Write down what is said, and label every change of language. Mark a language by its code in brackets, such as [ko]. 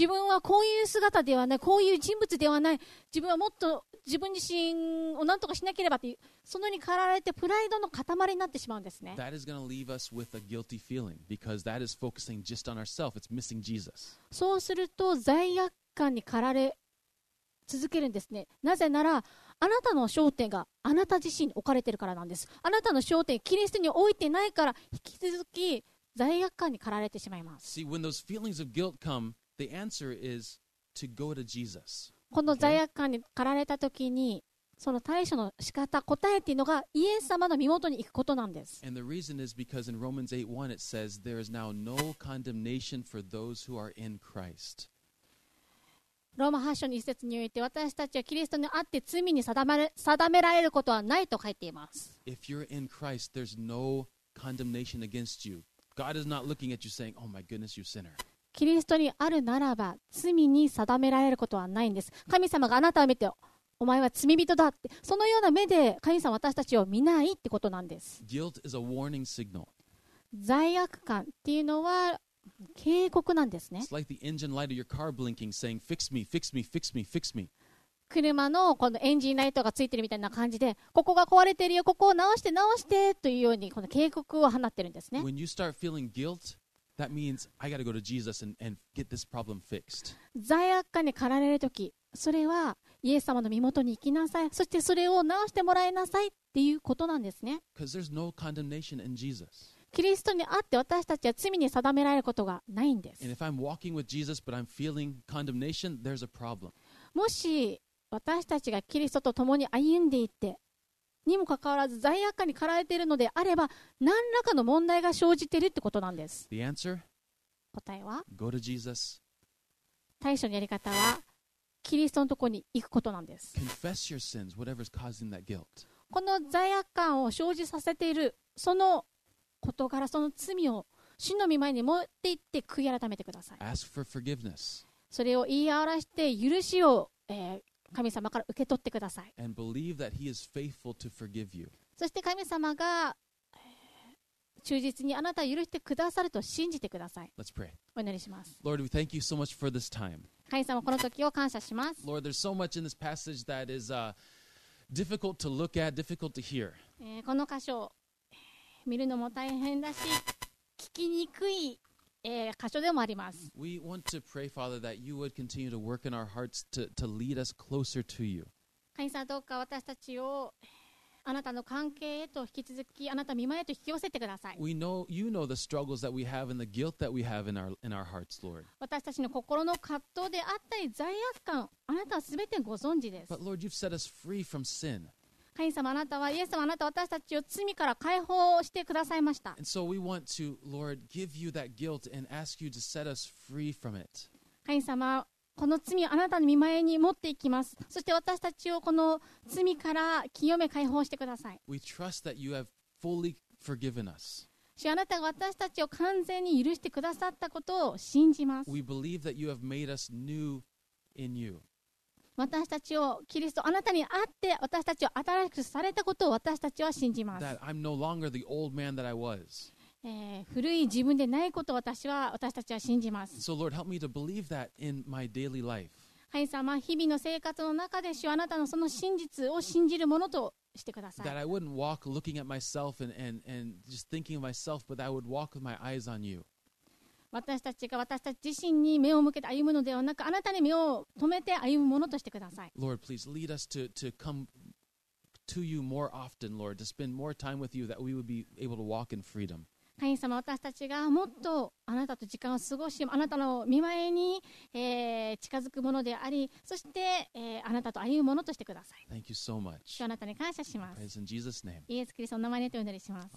[ja] 自分はこういう姿ではない、こういう人物ではない。自分はもっと自分自身を何とかしなければという、そのように駆られてプライドの塊になってしまうんですね。 [en] That is going to leave us with a guilty feeling because that is focusing just on ourselves. It's missing Jesus. [ja] そうすると罪悪感に駆られ続けるんですね。なぜなら、あなたの焦点があなた自身に置かれているからなんです。あなたの焦点、キリストに置いてないから、引き続き罪悪感に駆られてしまいます。 [en] See, when those feelings of guilt come, the answer is to go to Jesus. [ja] この罪悪感に駆られたときに、その対処の仕方、答えっていうのが、イエス様の身元に行くことなんです。 [en] And the reason is because in Romans 8:1 it says, there is now no condemnation for those who are in Christ. [ja] ローマ8章1節において、私たちはキリストにあって罪に定められることはないと書いています。 [en] If you're in Christ, there's no condemnation against you. God is not looking at you saying, oh my goodness, you sinner. [ja] キリストにあるならば、罪に定められることはないんです。神様があなたを見て、お前は罪人だって、そのような目で神様私たちを見ないってことなんです。 [en] Guilt is a warning signal. [ja] 罪悪感っていうのは、警告なんですね。 [en] It's like the engine light of your car blinking, saying, "Fix me, fix me, fix me, fix me." [ja] 車のこのエンジンライトがついてるみたいな感じで、ここが壊れてるよ、ここを直して直してというようにこの警告を放ってるんですね。 [en] When you start feeling guilt, that means I got to go to Jesus and get this problem fixed. [ja] 罪悪感に駆られるとき、それはイエス様の身元に行きなさい、そしてそれを直してもらいなさいっていうことなんですね。 [en] Because there's no condemnation in Jesus. [ja] キリストにあって私たちは罪に定められることがないんです。 [en] And if I'm walking with Jesus, but I'm feeling condemnation, there's a problem. [ja] もし私たちがキリストと共に歩んでいて、にもかかわらず罪悪感に駆られているのであれば、何らかの問題が生じているってことなんです。 [en] The answer? [ja] 答えは [en] Go to Jesus. [ja] 対処のやり方は、キリストのところに行くことなんです。 [en] Confess your sins, whatever's causing that guilt. [ja] この罪悪感を生じさせている、その事柄、その罪を主の御前に持って行って悔い改めてください。 [en] Ask for forgiveness. [ja] それを言い表して許しを、神様から受け取ってください。 [en] And believe that he is faithful to forgive you. [ja] そして神様が、忠実にあなたを許してくださると信じてください。 [en] Let's pray. [ja] お祈りします。 [en] Lord, we thank you so much for this time. [ja] 神様、この時を感謝します。 [en] Lord, there's so much in this passage that is difficult to look at, difficult to hear. [ja] この箇所見るのも大変だし、聞きにくい、箇所でもあります。 [en] We want to pray, Father, that you would continue to work in our hearts to lead us closer to you. [ja] 神様、どうか私たちをあなたの関係へと引き続き、あなた御前へと引き寄せてください。 [en] We know, you know the struggles that we have and the guilt that we have in our hearts, Lord. [ja] 私たちの心の葛藤であったり罪悪感、あなたはすべてご存知です。 [en] But Lord, you've set us free from sin. [ja] 神様、あなたはイエス様、あなたは私たちを罪から解放してくださいました。神様、この罪をあなたの御前に持っていきます。そして私たちをこの罪から清め解放してください。 [en] We trust that you have fully forgiven us. [ja] あなたが私たちを完全に許してくださったことを信じます。 [en] We believe that you have made us new in you. [ja] 私たちをキリスト、あなたに会って私たちを新しくされたことを私たちは信じます。 [en] That I'm no longer the old man that I was. [ja] 古い自分でないことを私たちは信じます。 [en] So Lord, help me to believe that in my daily life. [ja] 神様、日々の生活の中で主あなたのその真実を信じるものとしてください。 [en] That I wouldn't walk looking at myself and just thinking of myself, but I would walk with my eyes on you. [ja] 私たちが私たち自身に目を向けて歩むのではなく、あなたに目を止めて歩むものとしてください。 [en] Lord, please lead us to come to you more often, Lord, to spend more time with you, that we would be able to walk in freedom. [ja] 神様、私たちがもっとあなたと時間を過ごし、あなたの御前に、近づくものであり、そして、あなたと歩むものとしてください。 [en] Thank you so much. [ja] 主、あなたに感謝します。 [en] Praise in Jesus' name. [ja] イエス・キリストの名前でお祈りします。